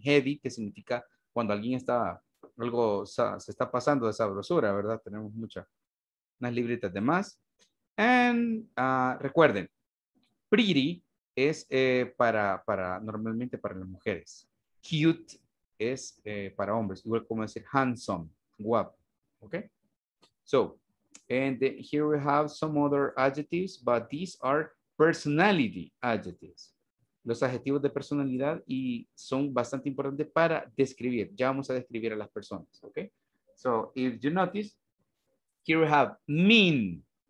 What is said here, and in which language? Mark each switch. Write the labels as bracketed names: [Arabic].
[Spanish] Heavy, que significa cuando alguien está, algo se está pasando de sabrosura, ¿verdad? Tenemos unas libritas de más. And, recuerden, pretty es para normalmente para las mujeres. Cute es para hombres, igual como decir handsome. Guap. Okay. [English] So, and here we have some other adjectives, but these are personality adjectives. [Spanish] Los adjetivos de personalidad y son bastante importantes para describir. Ya vamos a describir a las personas. Okay. [English] So, if you notice, here we have mean.